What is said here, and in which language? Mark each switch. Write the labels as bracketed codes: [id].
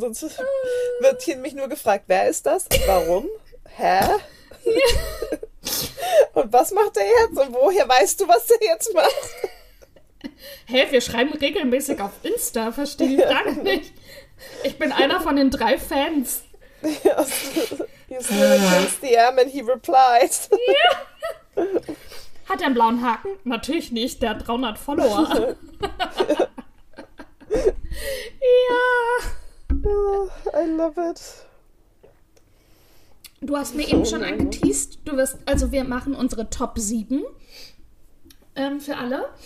[de] Sonst wird hier mich nur gefragt, wer ist das? Warum? Hä? Ja. Und was macht er jetzt? Und woher weißt du, was er jetzt macht? Hä, wir schreiben regelmäßig auf Insta, verstehe ich gar nicht. Ich bin einer von den 3 Fans. [en] Yes. He's gonna chase the M and he replies. [de] Ja. Hat er einen blauen Haken? Natürlich nicht, der hat 300 Follower. Ja. Ja. [en] Oh, I love it. [de] Du hast mir eben schon angeteased. Du wirst, also wir machen unsere Top 7 für alle.